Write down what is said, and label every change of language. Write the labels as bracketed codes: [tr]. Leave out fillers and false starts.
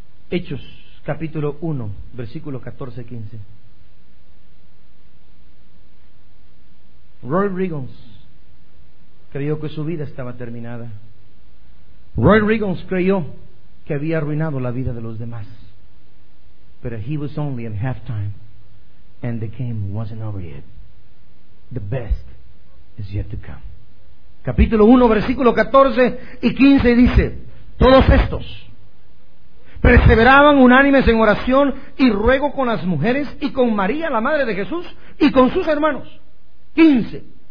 [es] Hechos capítulo 1, versículo 14-15. Roy Riggins creyó que su vida estaba terminada. Roy Riggins creyó que había arruinado la vida de los demás. [en] Pero he was only at halftime, and the game wasn't over yet. The best is yet to come. [es] Capítulo 1, versículo 14 y 15 dice: todos estos perseveraban unánimes en oración y ruego con las mujeres y con María, la madre de Jesús, y con sus hermanos. 15.